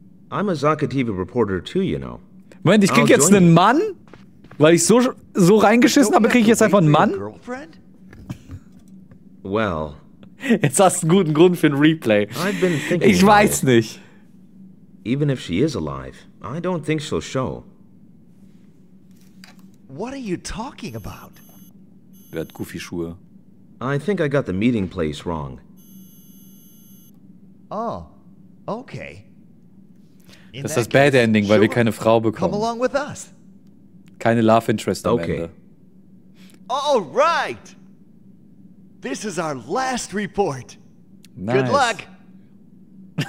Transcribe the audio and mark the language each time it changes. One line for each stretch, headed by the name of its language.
English: I'm a Zakatiba reporter too, you know.
German: Moment, ich krieg jetzt einen Mann? Weil ich so reingeschissen habe, krieg ich jetzt einfach einen Mann?
English: Well.
German: Jetzt hast du einen guten Grund für ein Replay.
English: I've been thinking.
German: Ich weiß nicht.
English: Even if she is alive, I don't think she'll show. What are you talking about?
German: Wer hat Goofy Schuhe?
English: I think I got the meeting place wrong. Oh, okay.
German: Das ist das Bad Ending, weil wir keine Frau bekommen.
English: Come along with us.
German: Keine Love Interest am okay. Ende.
English: All right. This is our last report. Nice. Good luck.